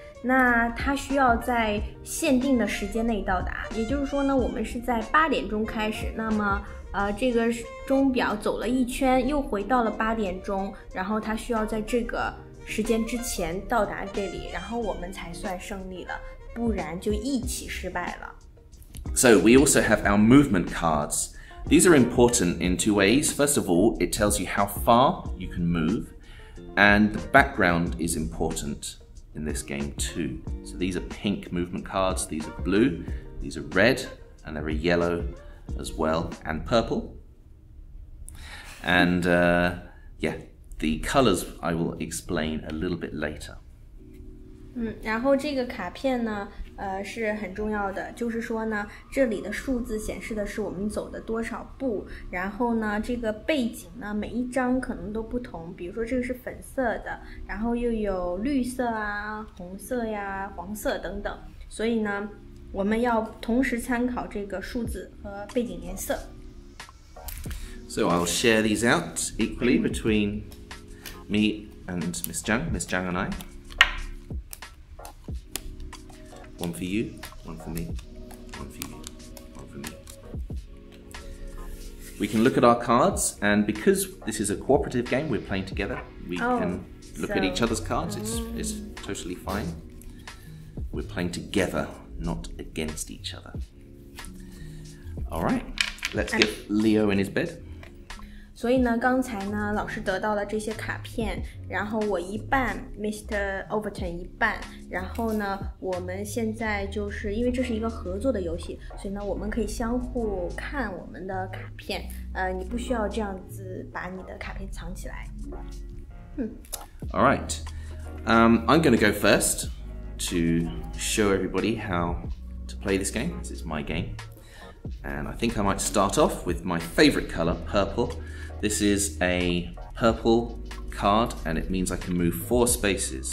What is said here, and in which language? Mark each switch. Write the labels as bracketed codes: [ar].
[zh] 那他需要在限定的时间内到达，也就是说呢，我们是在八点钟开始，那么这个钟表走了一圈，又回到了八点钟，然后他需要在这个时间之前到达这里，然后我们才算胜利了，不然就一起失败了。 [en] So we also have our movement cards. These are important in two ways. First of all, it tells you how far you can move, and the background is important in this game too. So these are pink movement cards, these are blue, these are red, and there are yellow as well, and purple. And yeah. The colors I will explain a little bit later. [zh] 然后这个卡片呢，是很重要的，就是说呢，这里的数字显示的是我们走的多少步。然后呢，这个背景呢，每一张可能都不同。比如说这个是粉色的，然后又有绿色啊、红色呀、黄色等等。所以呢，我们要同时参考这个数字和背景颜色。 [en] So I'll share these out equally between me and Miss Zhang, Miss Zhang and I. One for you, one for me, one for you, one for me. We can look at our cards, and because this is a cooperative game, we're playing together, we can look at each other's cards, it's totally fine. We're playing together, not against each other. All right, let's get Leo in his bed. [zh] 所以呢，刚才呢，老师得到了这些卡片，然后我一半 ，Mr. Overton 一半，然后呢，我们现在就是因为这是一个合作的游戏，所以呢，我们可以相互看我们的卡片，你不需要这样子把你的卡片藏起来。 [en] All right, I'm going to go first to show everybody how to play this game. This is my game, and I think I might start off with my favorite color, purple. This is a purple card, and it means I can move 4 spaces.